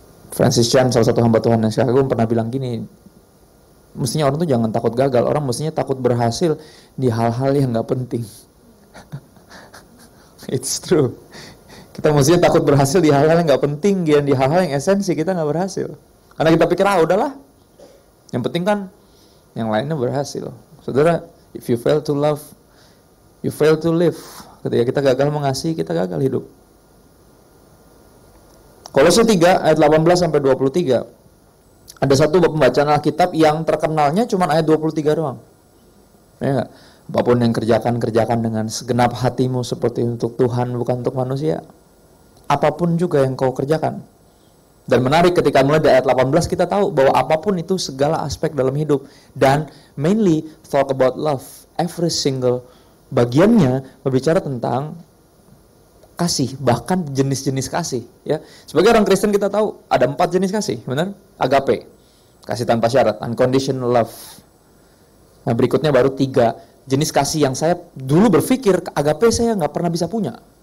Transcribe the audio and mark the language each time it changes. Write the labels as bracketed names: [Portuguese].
[Indonesian] Francis Chan, salah satu hamba Tuhan yang saya kagum, pernah bilang gini, mestinya orang tuh jangan takut gagal, orang mestinya takut berhasil di hal-hal yang gak penting. [English] It's true. [Indonesian] Kita mestinya takut berhasil di hal-hal yang gak penting, dan di hal-hal yang esensi kita gak berhasil. Karena kita pikir, ah udahlah, yang penting kan yang lainnya berhasil. [English] Saudara, if you fail to love, you fail to live. [Indonesian] Ketika kita gagal mengasihi, kita gagal hidup. Kolose 3 ayat 18-23. Ada satu pembacaan Alkitab yang terkenalnya cuma ayat 23 doang. Ya gak? Apapun yang kerjakan dengan segenap hatimu seperti untuk Tuhan, bukan untuk manusia. Apapun juga yang kau kerjakan. Dan menarik, ketika mulai di ayat 18 kita tahu bahwa apapun itu segala aspek dalam hidup. [English] Dan mainly talk about love. Every single [Indonesian] bagiannya berbicara tentang kasih, bahkan jenis-jenis kasih. Ya. Sebagai orang Kristen kita tahu ada 4 jenis kasih, benar? Agape, kasih tanpa syarat, unconditional love. Nah, berikutnya baru 3 jenis kasih yang saya dulu berpikir agape saya nggak pernah bisa punya.